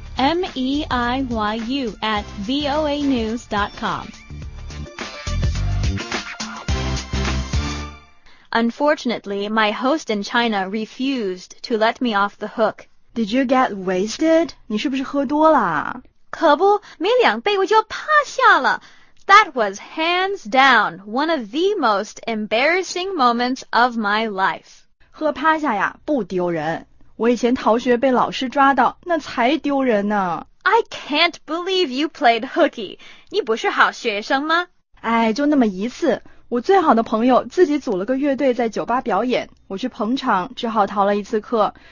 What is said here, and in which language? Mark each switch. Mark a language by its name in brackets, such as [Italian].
[English] meiyu@voanews.com. Unfortunately, my host in China refused to let me off the hook. Did you get wasted? [Chinese] 你是不是喝多了？可不，没两杯我就趴下了。 [English] That was hands down one of the most embarrassing moments of my life. [Chinese] 喝趴下呀，不丢人。我以前逃学被老师抓到，那才丢人呢。 [English] I can't believe you played hooky. [Chinese] 你不是好学生吗？哎，就那么一次。我最好的朋友自己组了个乐队在酒吧表演，我去捧场，只好逃了一次课。